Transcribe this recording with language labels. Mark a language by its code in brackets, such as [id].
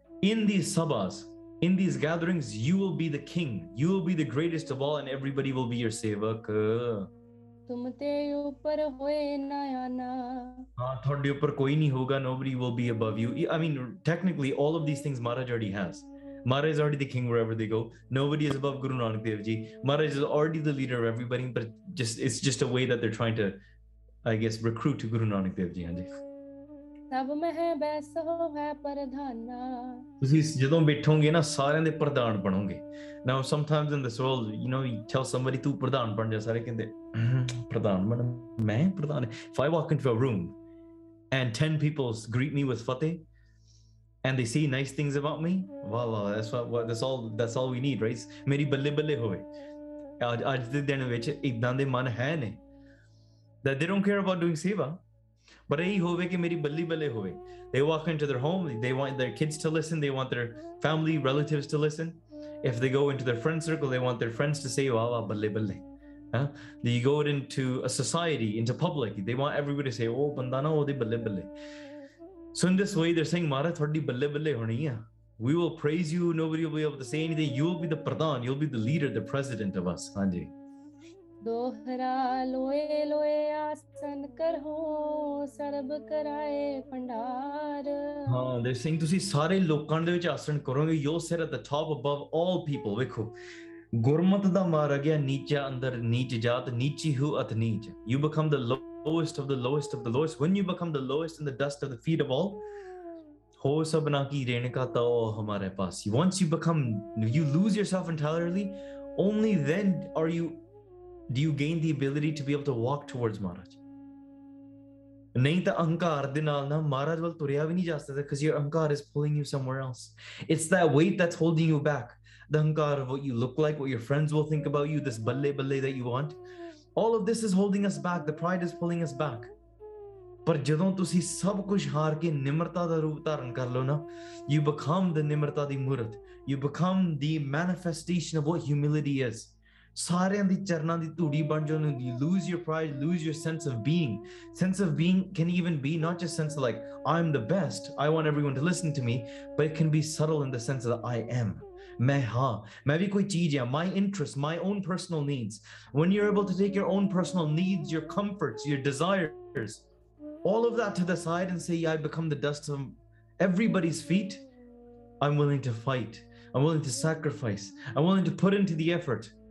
[en] In these ਸਭਾਸ, in these gatherings, you will be the king, you will be the greatest of all, and everybody will be your ਸੇਵਕ. [pa] ਤੁਮ ਤੇ ਉੱਪਰ ਹੋਏ ਨਾ ਆਨਾ. ਹਾਂ, ਤੁਹਾਡੇ ਉੱਪਰ ਕੋਈ ਨਹੀਂ ਹੋਗਾ, [en] Nobody will be above you. I mean technically all of these things Maharaj already has. Maharaj is already the king wherever they go. Nobody is above Guru Nanak Dev Ji. Maharaj is already the leader of everybody, but it's just a way that they're trying to, I guess, recruit to Guru Nanak Dev Ji. [pa] ਸਭ ਮਹਿ ਬੈਸੋ ਹੈ ਪ੍ਰਧਾਨਾ। ਤੁਸੀਂ ਜਦੋਂ ਬੈਠੋਗੇ ਨਾ ਸਾਰਿਆਂ ਦੇ ਪ੍ਰਧਾਨ ਬਣੋਗੇ। [en] ਨਾ sometimes in this world you know we tell somebody [pa] ਤੂੰ ਪ੍ਰਧਾਨ ਬਣ ਜਾ, ਸਾਰੇ ਕਹਿੰਦੇ ਪ੍ਰਧਾਨ ਬਣ, ਮੈਂ ਪ੍ਰਧਾਨ। [en] If I walk into a room and 10 people greet me with Fateh and they say nice things about me, ਵਾਹ ਵਾਹ, that's what that's all we need right. [pa] ਮੇਰੀ ਬੱਲੇ ਬੱਲੇ ਹੋਵੇ, ਅੱਜ ਦੇ ਦਿਨ ਵਿੱਚ ਇੱਦਾਂ ਦੇ ਮਨ ਹੈ ਨੇ [en] That they don't care about doing seva. [pa] But ahi hove ki meri balli balle hove. [en] They walk into their home, they want their kids to listen, they want their family relatives to listen. If they go into their friend circle, they want their friends to say wah wah balle balle. They go into a society, into public, they want everybody to say [pa] oh banda na ohde balle balle. [en] So in this way they're saying [pa] mara thodi balle balle honi hai, [en] we will praise you, nobody will be able to say anything, you will be the pradhan, you'll be the leader, the president of us. [pa] Haan ji. ਦੋਹਰਾ ਲੋਏ ਲੋਏ ਆਸਨ ਕਰੋ ਸਰਬ ਕਰਾਏ ਭੰਡਾਰ। ਹਾਂ ਦੇ ਸਿੰਘ, ਤੁਸੀਂ ਸਾਰੇ ਲੋਕਾਂ ਦੇ ਵਿੱਚ ਆਸਨ ਕਰੋਗੇ। [en] Your ਸਿਰ at the top above all people. [pa] ਵੇਖੋ ਗੁਰਮਤ ਦਾ ਮਾਰ ਗਿਆ ਨੀਚਾ ਅੰਦਰ ਨੀਚ ਜਾਤ ਨੀਚੀ ਹੂ ਅਤ ਨੀਚ। [en] You become the lowest of the lowest of the lowest when you become the lowest in the dust of the feet of all. [pa] ਹੋ ਸਭਨਾ ਕੀ ਰੇਣਕਾ ਤਾਓ ਹਮਾਰੇ ਪਾਸ। [en] Once you become you lose yourself entirely, only then are you Do you gain the ability to be able to walk towards Maharaj? [pa] Nahi ta ahankar de naal na Maharaj wal turya vi nahi ja sakda, [en] because your ahankar is pulling you somewhere else. It's that weight that's holding you back. The ahankar of what you look like, what your friends will think about you, this balle balle that you want. All of this is holding us back. The pride is pulling us back. But [pa] jadon tusi sab kuch haar ke nimrata da roop dharan kar lo na, [en] you become the nimrata di murat. You become the manifestation of what humility is. [pa] ਸਾਰਿਆਂ ਦੀ ਚਰਨਾਂ ਦੀ ਧੂੜੀ ਬਣ ਜਾਓ। [en] Lose your pride, lose your sense of being. Sense of being can even be not just sense like I am the best, I want everyone to listen to me, but it can be subtle in the sense of I am, [pa] ਮੈਂ ਹਾਂ, ਮੈਂ ਵੀ ਕੋਈ ਚੀਜ਼ ਹਾਂ, [en] My interest, my own personal needs. When you are able to take your own personal needs, your comforts, your desires, all of that to the side and say I become the dust of everybody's feet, I am willing to fight, I am willing to sacrifice, I am willing to put in to the effort.